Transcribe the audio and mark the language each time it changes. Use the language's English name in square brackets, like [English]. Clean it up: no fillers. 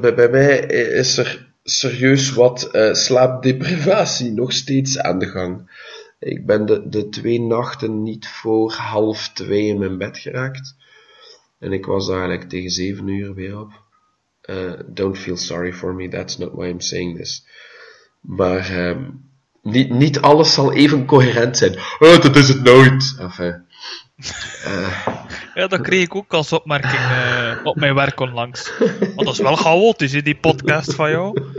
[Dutch] Bij mij is er serieus wat slaapdeprivatie nog steeds aan de gang. Ik ben de twee nachten niet voor 2:30 in mijn bed geraakt. En ik was daar eigenlijk tegen 7:00 weer op. [English] Don't feel sorry for me, that's not why I'm saying this. [Dutch] Maar niet alles zal even coherent zijn. Oh, dat is het nooit. Enfin, ja, dat kreeg ik ook als opmerking op mijn werk onlangs. Want dat is wel chaotisch, die podcast van jou.